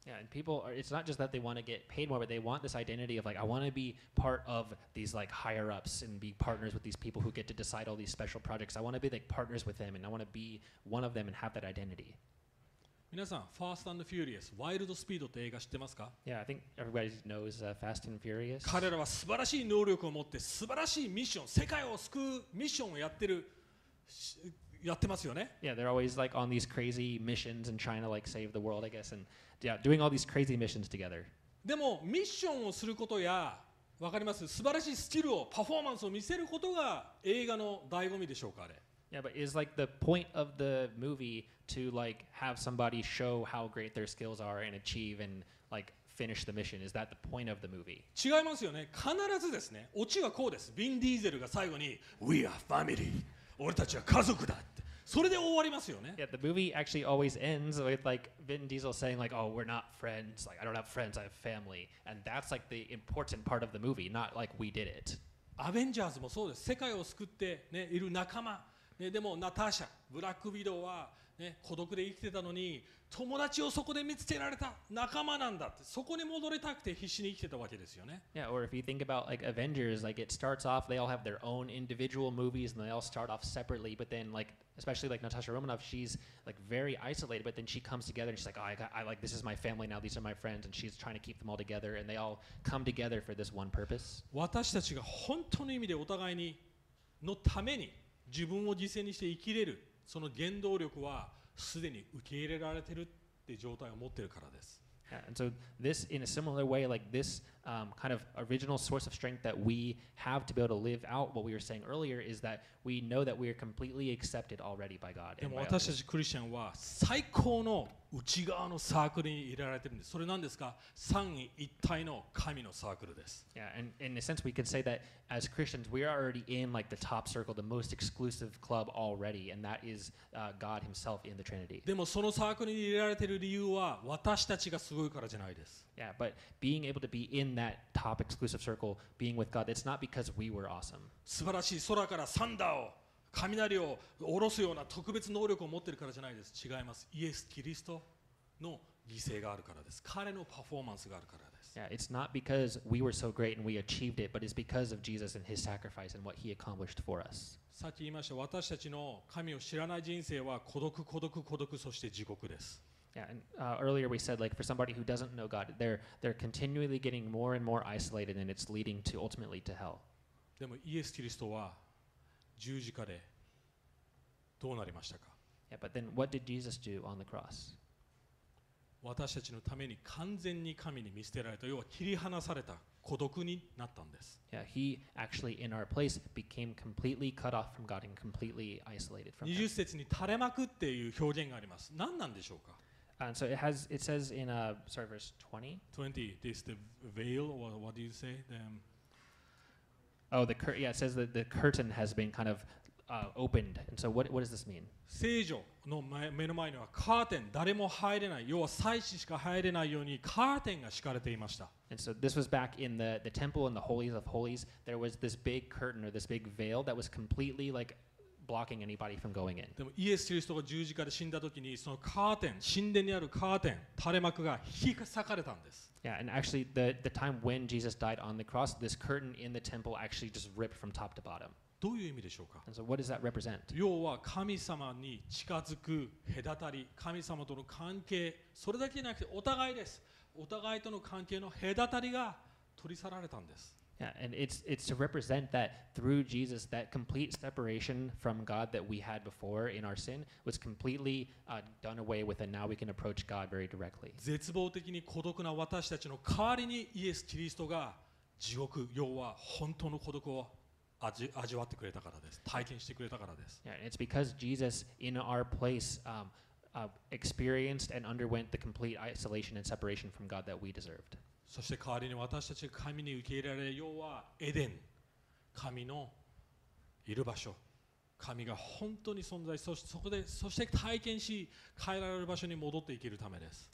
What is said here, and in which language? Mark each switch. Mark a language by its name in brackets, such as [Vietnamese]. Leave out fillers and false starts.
[English] Yeah, and people are, it's not just that they want to get paid more, but they want this identity of like, I want to be part of these like higher ups and be partners with these people who get to decide all these special projects. I want to be like partners with them and I want to be one of them and have that identity. [Japanese] 皆さん、Fast and Furious、Wild Speed って映画知ってますか？ [English] Yeah, I think everybody knows Fast and Furious. [Japanese] 彼らは素晴らしい能力を持って素晴らしいミッション、世界を救うミッションをやってますよね。 [English] Yeah, they're always like on these crazy missions and trying to like save the world, I guess, and yeah, doing all these crazy missions together. [Japanese] でもミッションをすることや、わかります？素晴らしいスキルを、パフォーマンスを見せることが映画の醍醐味でしょうか、あれ。 [English] Yeah, but is like the point of the movie to like have somebody show how great their skills are and achieve and like finish the mission? Is that the point of the movie? [Japanese] 違いますよね。必ずですね。オチはこうです。ヴィン・ディーゼルが最後に [English] We are family. [Japanese] 俺たちは家族だって。それで終わりますよね。 [English] Yeah, the movie actually always ends with like Vin Diesel saying like, oh, we're not friends. Like, I don't have friends. I have family. And that's like the important part of the movie. Not like we did it. [Japanese] アベンジャーズもそうです。世界を救って、ね、いる仲間。ね、でもナターシャ、ブラックウィドウは、ね、孤独で生きてたのに友達をそこで見つけられた仲間なんだってそこに戻りたくて必死に生きてたわけですよね。 [English] Yeah, or if you think about like Avengers, like it starts off, they all have their own individual movies and they all start off separately, but then like, especially like Natasha Romanoff, she's like very isolated, but then she comes together and she's like, oh, I like this is my family now, these are my friends, and she's trying to keep them all together and they all come together for this one purpose. [Japanese] 私たちが本当の意味でお互いにのために自分を犠牲にして生きれるその原動力はすでに受け入れられてるって状態を持ってるからです。 [English] Yeah, and so this in a similar way, like this kind of original source of strength that we have to be able to live out what we were saying earlier is that we know that we are completely accepted already by God. [Japanese] でも私たちクリスチャンは最高の内側のサークルに入れられてるんです。それ何ですか？三位一体の神のサークルです。 [English] Yeah, and in a sense we can say that as Christians we are already in like the top circle, the most exclusive club already, and that is God himself in the Trinity. [Japanese] でもそのサークルに入れられてる理由は私たちがすごいからじゃないです。 [English] Yeah, but being able to be in that top exclusive circle, being with God, it's not because we were awesome. [Japanese] 素晴らしい空からサンダーを、雷を下ろすような特別能力を持ってるからじゃないです。違います。イエス・キリストの犠牲があるからです。彼のパフォーマンスがあるからです。 [English] Yeah, it's not because we were so great and we achieved it, but it's because of Jesus and his sacrifice and what he accomplished for us. [Japanese] さっき言いました、私たちの神を知らない人生は孤独、孤独、孤独、そして地獄です。 [English] Yeah, and earlier we said like for somebody who doesn't know God, they're continually getting more and more isolated and it's leading to ultimately to hell. [Japanese] でもイエス・キリストは十字架でどうなりましたか？ [English] Yeah, but then what did Jesus do on the cross? [Japanese] 私たちのために完全に神に見捨てられた、要は切り離された孤独になったんです。 [English] Yeah, he actually in our place became completely cut off from God and completely isolated from [Japanese] him. 20節に垂れ幕っていう表現があります。何なんでしょうか？ [English] And so it says in verse 20. 20, this the veil, or what do you say? It says that the curtain has been kind of opened. And so what does this mean? [Japanese] 聖所の目の前にはカーテン、誰も入れない、要は祭司しか入れないようにカーテンが敷かれていました。 [English] And so this was back in the temple in the holies of holies. There was this big curtain or this big veil that was completely like... blocking anybody from going in. [Japanese] でもイエス・キリストが十字架で死んだ時にそのカーテン、神殿にあるカーテン、垂れ幕が引き裂かれたんです。 [English] Yeah, and actually the time when Jesus died on the cross, this curtain in the temple actually just ripped from top to bottom. [Japanese] どういう意味でしょうか？ [English] And so what does that represent? [Japanese] 要は神様に近づく隔たり、神様との関係、それだけじゃなくてお互いです。お互いとの関係の隔たりが取り去られたんです。 [English] And it's to represent that through Jesus, that complete separation from God that we had before in our sin was completely done away with, and now we can approach God very directly. [Japanese] 絶望的に孤独な私たちの代わりにイエス・キリストが地獄、要は本当の孤独を味わってくれたからです。体験してくれたからです。 [English] Yeah, it's because Jesus in our place experienced and underwent the complete isolation and separation from God that we deserved. [Japanese] そして代わりに私たちが神に受け入れられ、要はエデン、神のいる場所、神が本当に存在、そして体験し、変えられる場所に戻っていけるためです。